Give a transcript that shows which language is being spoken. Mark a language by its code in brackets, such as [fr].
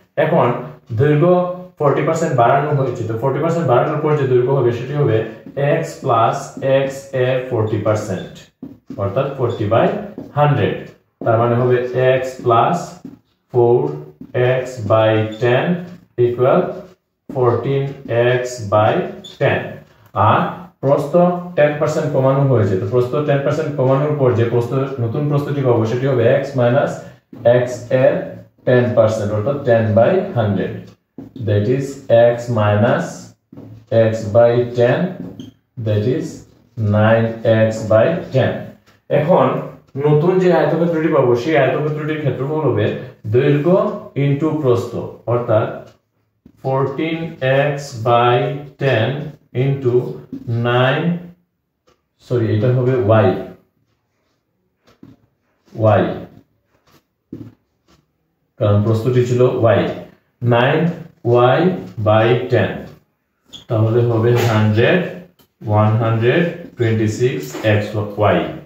[bn] এখন দৈর্ঘ্য 40% বাড়ানো হয়েছে, তো 40% বাড়ানোর পর যে দৈর্ঘ্য হবে সেটি হবে x প্লাস x এর 40%, অর্থাৎ 40/100, তার মানে হবে x plus 4x/10 equal 14x/10। আর প্রস্থ 10% কমানো হয়েছে, তো প্রস্থ 10% কমানোর পর যে প্রস্থ নতুন প্রস্থটি পাবো সেটি হবে x মাইনাস x এর 10%, অর্থাৎ 10/100। [en] That is x minus x by 10, that is 9x/10. [bn] এখন নতুন যে আয়তক্ষেত্রটি পাবো সেই আয়তক্ষেত্রটির ক্ষেত্রফল হবে দৈর্ঘ্য ইন্টু প্রস্থ, অর্থাৎ 14x/10 ইন্টু 9, সরি এটা হবে y, কারণ প্রস্থটি ছিল y, 9y/10, তাহলে হবে 100 126xy।